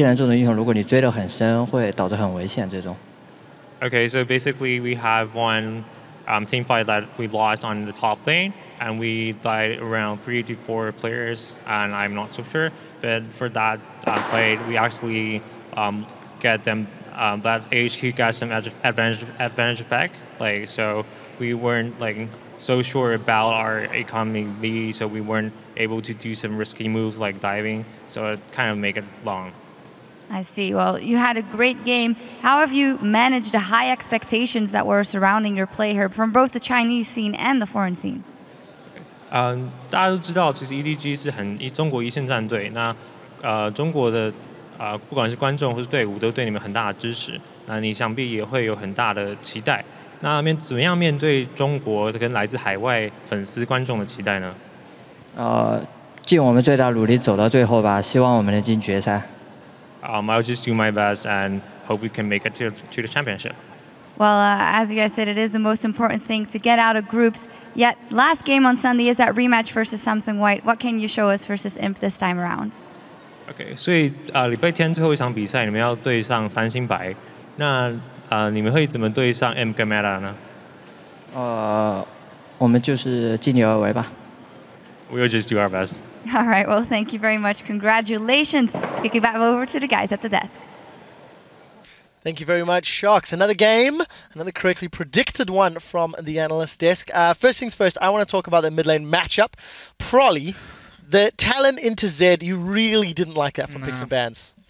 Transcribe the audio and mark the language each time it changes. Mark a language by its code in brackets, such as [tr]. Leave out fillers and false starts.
[zh] 因为有一波在上路有一交流失误吧，然后导致我们死掉了三个到四个人头，然后就是让他们打回了一些局势吧。然后所以后面由于机器人的原因，我们也不太敢就是过于冲坦那种，因为会就是会有机器人这种英雄，如果你追得很深，会导致很危险这种。 [en] Okay, so basically we have one team fight that we lost on the top lane, and we died around 3 to 4 players, and I'm not so sure. But for that fight, we actually get them, that AHQ got some advantage back. Like, so we weren't like so sure about our economy lead, so we weren't able to do some risky moves like diving, so it kind of made it long. I see. Well, you had a great game. How have you managed the high expectations that were surrounding your play here from both the Chinese scene and the foreign scene? [zh] 大家都知道其实 EDG 是中国一线战队，那中国的不管是观众或是队伍都对你们很大的支持，那你想必也会有很大的期待。那面怎么样面对中国跟来自海外粉丝观众的期待呢？尽我们最大努力走到最后吧，希望我们能进决赛。 [en] I'll just do my best and hope we can make it to the championship. Well, as you guys said, it is the most important thing to get out of groups. Yet, last game on Sunday is that rematch versus Samsung White. What can you show us versus Imp this time around? Okay, so [zh] 礼拜天最后一场比赛，你们要对上三星白。那你们会怎么对上 Imp 跟 Meta 呢？我们就是尽力而为吧。 [en] We'll just do our best. All right, well, thank you very much. Congratulations. Take it back over to the guys at the desk. Thank you very much, Sharks. Another game, another correctly predicted one from the analyst desk. First things first, I want to talk about the mid lane matchup. Proly, the Talon into Zed, you really didn't like that from Picks and Bans.